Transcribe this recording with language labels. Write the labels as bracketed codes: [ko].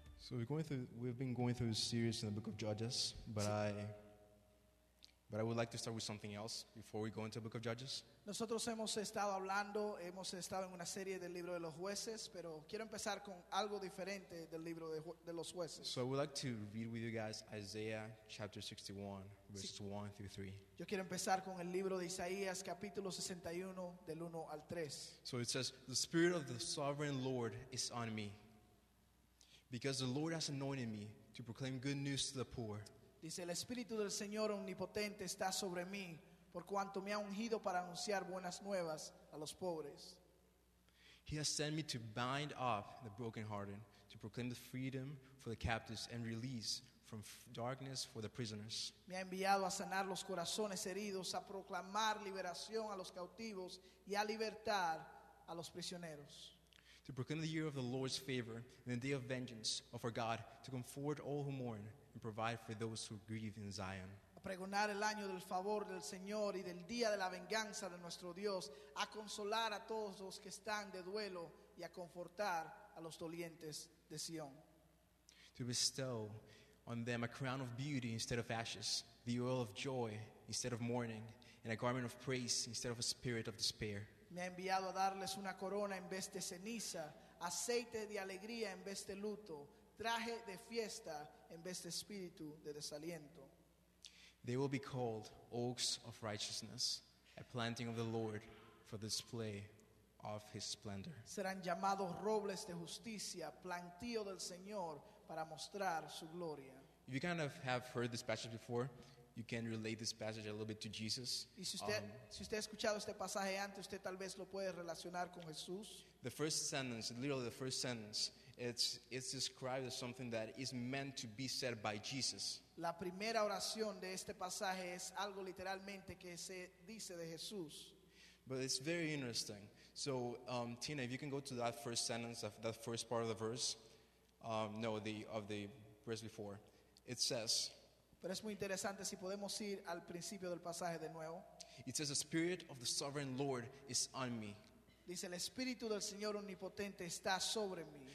[en] We've been going through a series in the book of Judges, but I would like to start with something else before we go into the book of Judges. [es] Nosotros hemos estado hablando, hemos estado en una serie del libro de los jueces, pero quiero empezar con algo diferente del libro de los jueces. [en] So I would like to read with you guys Isaiah chapter 61, verses 1 through 3. [es] Yo quiero empezar con el libro de Isaías, capítulo 61, del 1 al 3. [en] So it says, "The Spirit of the Sovereign Lord is on me. Because the Lord has anointed me to proclaim good news to the poor. [es] Dice el Espíritu del Señor omnipotente está sobre mí, por cuanto me ha ungido para anunciar buenas nuevas a los pobres. [en] He has sent me to bind up the brokenhearted, to proclaim the freedom for the captives and release from darkness for the prisoners. [es] Me ha enviado a sanar los corazones heridos, a proclamar liberación a los cautivos y a libertar a los prisioneros. [en] To proclaim the year of the Lord's favor and the day of vengeance of our God, to comfort all who mourn and provide for those who grieve in Zion. [es] A pregonar el año del favor del Señor y del día de la venganza de nuestro Dios, a consolar a todos los que están de duelo y a confortar a los dolientes de Sion. [en] To bestow on them a crown of beauty instead of ashes, the oil of joy instead of mourning, and a garment of praise instead of a spirit of despair. [es] Me ha enviado a darles una corona en vez de ceniza, aceite de alegría en vez de luto, traje de fiesta en vez de espíritu de desaliento. [en] They will be called oaks of righteousness, a planting of the Lord for the display of his splendor. [es] Serán llamados robles de justicia, plantío del Señor para mostrar su gloria. [en] If you kind of have heard this passage before, you can relate this passage a little bit to Jesus. [es] Y si usted, si usted ha escuchado este pasaje antes, usted tal vez lo puede relacionar con Jesús. [en] The first sentence, literally the first sentence, it's described as something that is meant to be said by Jesus. [es] La primera oración de este pasaje es algo literalmente que se dice de Jesús. [en] But it's very interesting. So, Tina, if you can go to that first sentence, of that first part of the verse, the verse before, it says... [es] Pero es muy interesante si podemos ir al principio del pasaje de nuevo. [en] It says, "The Spirit of the Sovereign Lord is on me." [es] Dice, el Espíritu del Señor Omnipotente está sobre mí.